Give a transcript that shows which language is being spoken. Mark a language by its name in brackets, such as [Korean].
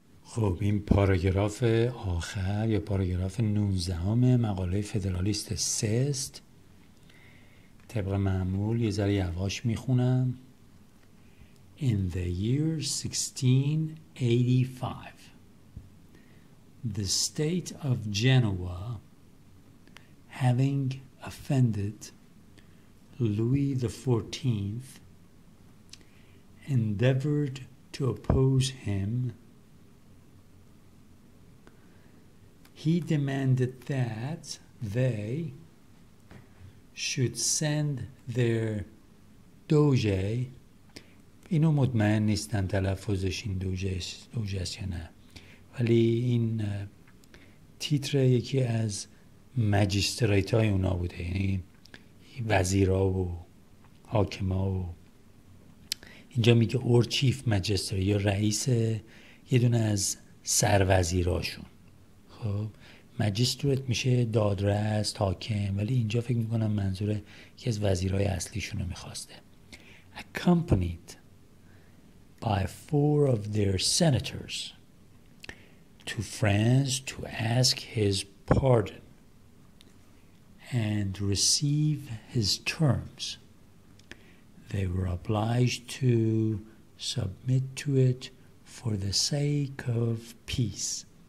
[Persian] خب این پاراگراف آخر یا پاراگراف 19 مقاله فدرالیست سست، طبق معمول یه ذره یواش میخونم. [English] In the year 1685, the state of Genoa, having offended Louis XIV, endeavored to oppose him. He demanded that they should send their doge. [Persian] اینو مطمئن نیستم تلفظش این دوجه است یا نه، ولی این تیتر یکی از مجیسترات های اونا بوده، یعنی وزیرا و حاکما. و اینجا میگه اور چیف مجیستر یا رئیس یه دونه از سروزیراشون. خب مجیسترات میشه دادرس، حاکم، ولی اینجا فکر میکنم منظور یکی از وزیرای اصلیشون رو میخواسته. [English] accompanied by four of their senators to France to ask his pardon and receive his terms. They were obliged to submit to it for the sake of peace.